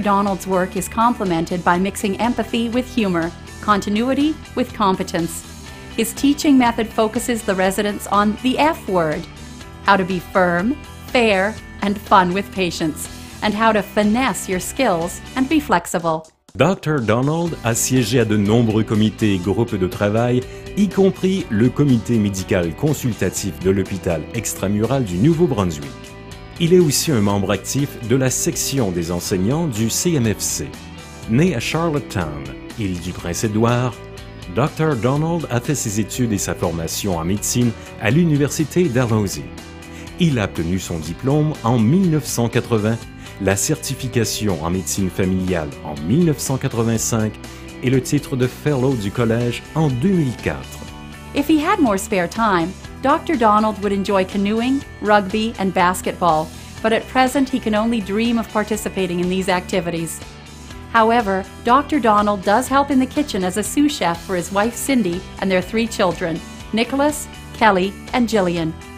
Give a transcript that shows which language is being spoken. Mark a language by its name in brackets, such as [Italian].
[English] Donald's work is complemented by mixing empathy with humor, continuity with competence. His teaching method focuses the residents on the F word, how to be firm, fair, and fun with patients, and how to finesse your skills and be flexible. [French] Dr. Donald a siégé à de nombreux comités et groupes de travail, y compris le comité médical consultatif de l'hôpital extramural du Nouveau-Brunswick. Il est aussi un membre actif de la section des enseignants du CMFC. Né à Charlottetown, île du Prince-Édouard, Dr. Donald a fait ses études et sa formation en médecine à l'Université Dalhousie. Il a obtenu son diplôme en 1980, la certification en médecine familiale en 1985 et le titre de fellow du collège en 2004. [English] If he had more spare time, Dr. Donald would enjoy canoeing, rugby and basketball, but at present he can only dream of participating in these activities. However, Dr. Donald does help in the kitchen as a sous chef for his wife Cindy and their three children, Nicholas, Kelly and Jillian.